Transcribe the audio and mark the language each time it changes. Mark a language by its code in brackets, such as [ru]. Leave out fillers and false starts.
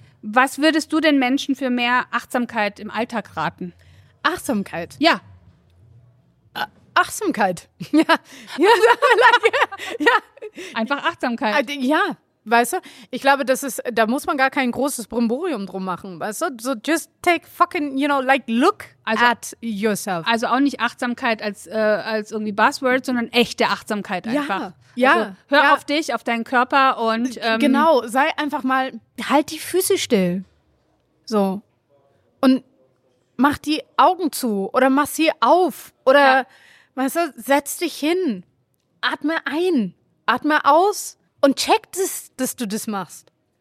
[de] Was würdest du den Menschen für mehr Achtsamkeit im Alltag raten? Achtsamkeit? Ja. Achtsamkeit. Ja. Einfach Achtsamkeit. Ja, weißt du? Ich glaube, da muss man gar kein großes Brimborium drum machen, weißt du? [en] So just take fucking, you know, like look also, at yourself. [de] Also auch nicht Achtsamkeit als irgendwie Buzzword, sondern echte Achtsamkeit einfach. Ja, also, ja. Hör ja. auf dich, auf deinen Körper und genau, sei einfach mal, halt die Füße still. So. und mach die Augen zu oder mach sie auf oder weißt du, setz dich hin, atme ein, atme aus und check das, dass du das machst.